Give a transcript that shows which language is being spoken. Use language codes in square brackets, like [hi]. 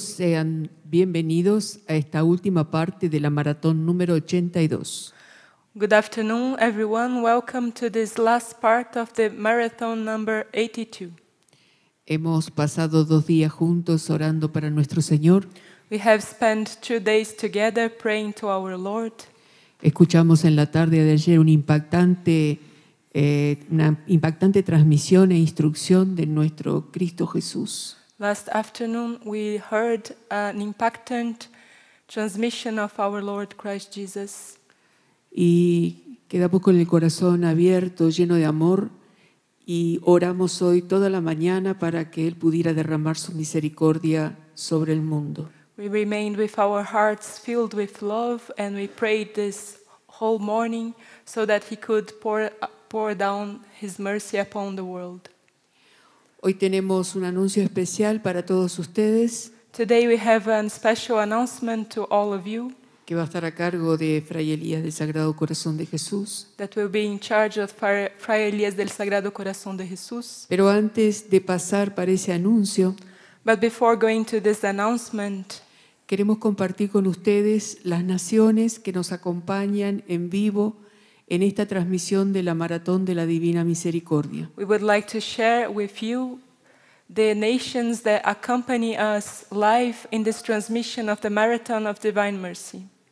[es] Sean bienvenidos a esta última parte de la maratón número 82. [en] Good afternoon, everyone. Welcome to this last part of the marathon number 82. [es] Hemos pasado dos días juntos orando para nuestro Señor. [en] We have spent 2 days together praying to our Lord. [es] Escuchamos en la tarde de ayer una impactante transmisión e instrucción de nuestro Cristo Jesús. [en] Last afternoon we heard an impactant transmission of our Lord Christ Jesus. [es] Y quedamos con el corazón abierto, lleno de amor, y oramos hoy toda la mañana para que Él pudiera derramar su misericordia sobre el mundo. [en] We remained with our hearts filled with love and we prayed this whole morning so that He could pour down His mercy upon the world. [es] Hoy tenemos un anuncio especial para todos ustedes. [en] Today we have a special announcement to all of you. [es] Que va a estar a cargo de Fray Elías del Sagrado Corazón de Jesús. [en] That will be in charge of Fray Elías del Sagrado Corazón de Jesús. [es] Pero antes de pasar para ese anuncio, [en] but before going to this announcement, [es] queremos compartir con ustedes las naciones que nos acompañan en vivo en esta transmisión de la Maratón de la Divina Misericordia. [en] We would like to share with you the nations that accompany us live in this transmission of the Marathon of Divine Mercy.